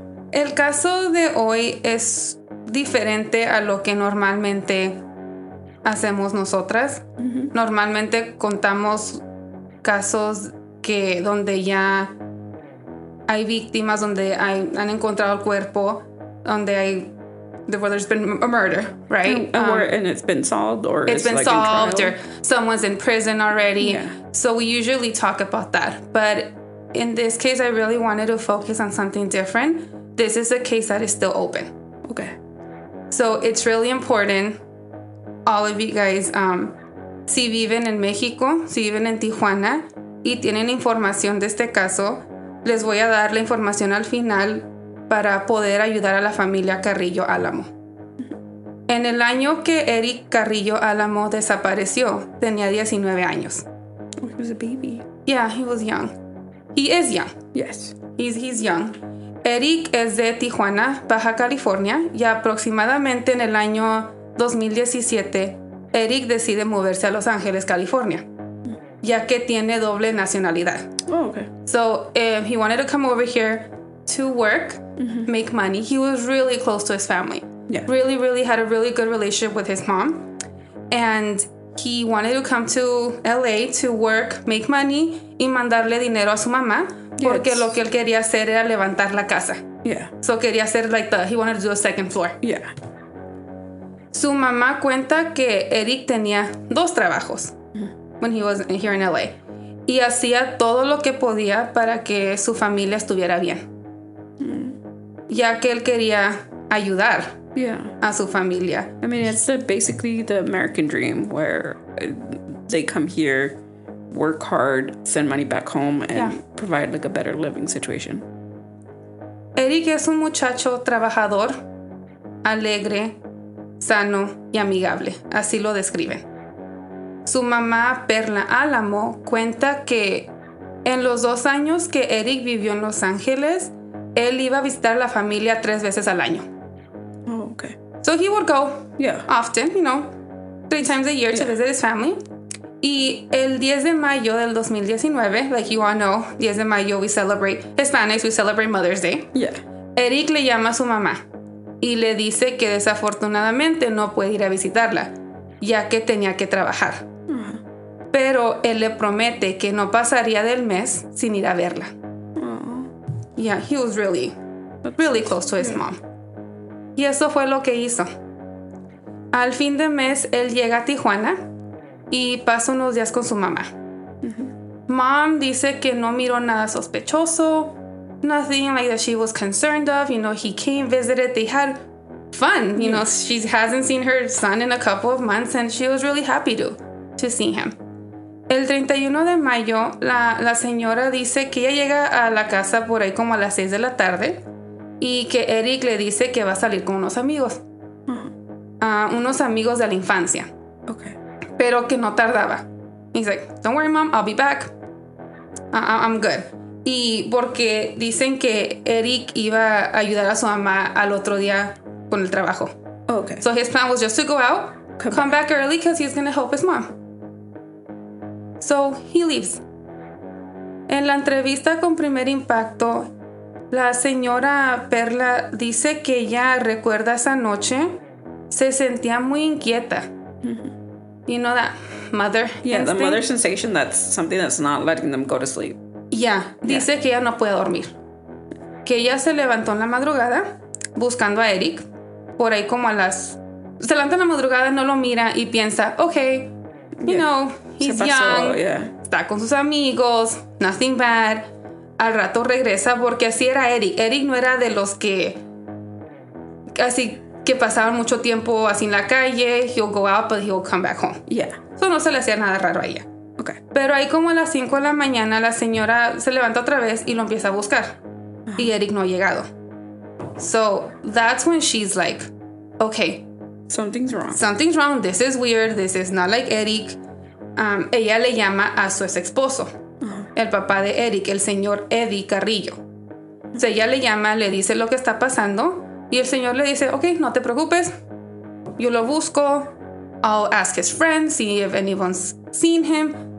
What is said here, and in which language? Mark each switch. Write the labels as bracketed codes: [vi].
[es] El caso de hoy es diferente a lo que normalmente hacemos nosotras. Uh-huh. Normalmente contamos casos que donde ya hay víctimas, donde hay, han encontrado el cuerpo, donde hay [en] where there's been a murder, right? And it's been solved, or it's been like solved, or someone's in prison already. Yeah. So we usually talk about that, but in this case, I really wanted to focus on something different. This is a case that is still open. Okay. So it's really important, all of you guys, [es] si viven en México, si viven en Tijuana, y tienen información de este caso, les voy a dar la información al final para poder ayudar a la familia Carrillo Álamo. En el año que Erick Carrillo Álamo desapareció, tenía 19 años. [en] Oh, he was a baby. Yeah, he was young. He is young. Yes. He's young. [es] Erick es de Tijuana, Baja California, y aproximadamente en el año 2017, Erick decide moverse a Los Ángeles, California, ya que tiene doble nacionalidad. [en] Oh, okay. So, he wanted to come over here to work, mm-hmm. make money. He was really close to his family. Yeah. Really, really had a really good relationship with his mom. And he wanted to come to LA to work, make money, [es] y mandarle dinero a su mamá. Yeah, porque lo que él quería hacer era levantar la casa. [en] Yeah. So [es] quería hacer [en] like the, he wanted to do a second floor. Yeah. [es] Su mamá cuenta que Erick tenía dos trabajos mm-hmm. [en] when he was here in LA. [es] Y hacía todo lo que podía para que su familia estuviera bien. Mm-hmm. Ya que él quería ayudar [en] yeah. [es] a su familia. [en] I mean, it's the, basically the American dream where they come here, work hard, send money back home, and yeah. provide like a better living situation. [es] Erick es un muchacho trabajador, alegre, sano y amigable. Así lo describe. Su mamá, Perla Alamo, cuenta que en los dos años que Erick vivió en Los Ángeles, él iba a visitar a la familia tres veces al año. [en] Oh, okay. So he would go yeah. often, you know, three times a year yeah. to visit his family. [es] Y el 10 de mayo del 2019, [en] like you all know, [es] 10 de mayo [en] we celebrate, Hispanics, we celebrate Mother's Day. Yeah. [es] Erick le llama a su mamá y le dice que desafortunadamente no puede ir a visitarla, ya que tenía que trabajar. Uh-huh. Pero él le promete que no pasaría del mes sin ir a verla. Uh-huh. [en] Yeah, he was really, really close to his mom. [es] Y eso fue lo que hizo. Al fin de mes, él llega a Tijuana y pasa unos días con su mamá. Mm-hmm. Mom dice que no miró nada sospechoso. [en] Nothing like that she was concerned of. You know, he came, visited, they had fun. You mm-hmm. know, she hasn't seen her son in a couple of months and she was really happy to see him. [es] El 31 de mayo, la señora dice que ella llega a la casa por ahí como a las 6 de la tarde y que Erick le dice que va a salir con unos amigos. Mm-hmm. Unos amigos de la infancia. [en] Okay. [es] Pero que no tardaba. [en] He's like, don't worry, mom, I'll be back. I'm good. [es] Y porque dicen que Erick iba a ayudar a su mamá al otro día con el trabajo. [en] Okay. So his plan was just to go out, come back early because he's going to help his mom. So he leaves. [es] En la entrevista con Primer Impacto, la señora Perla dice que ella recuerda esa noche, se sentía muy inquieta. Mm-hmm. [en] You know that mother yeah, instinct? The mother sensation, that's something that's not letting them go to sleep. Yeah. [es] Dice yeah. que ella no puede dormir. Que ella se levantó en la madrugada buscando a Erick. Por ahí como a las... Se levanta en la madrugada, no lo mira y piensa, okay, you yeah. [en] know, he's [es] se pasó, [en] young. Yeah. [es] Está con sus amigos, [en] nothing bad. [es] Al rato regresa porque así era Erick. Erick no era de los que... Así... que pasaban mucho tiempo así en la calle, [en] he'll go out, but he'll come back home. Yeah. [es] So no se le hacía nada raro a ella. [en] Okay. [es] Pero ahí como a las 5 de la mañana, la señora se levanta otra vez y lo empieza a buscar. Uh-huh. Y Erick no ha llegado. [en] So that's when she's like, okay. Something's wrong. Something's wrong. This is weird. This is not like Erick. [es] Ella le llama a su ex esposo, uh-huh. el papá de Erick, el señor Eddie Carrillo. So ella le llama, le dice lo que está pasando. Y el señor le dice, okay, no te preocupes. Yo lo busco. [en] I'll ask his friends, see if anyone's seen him.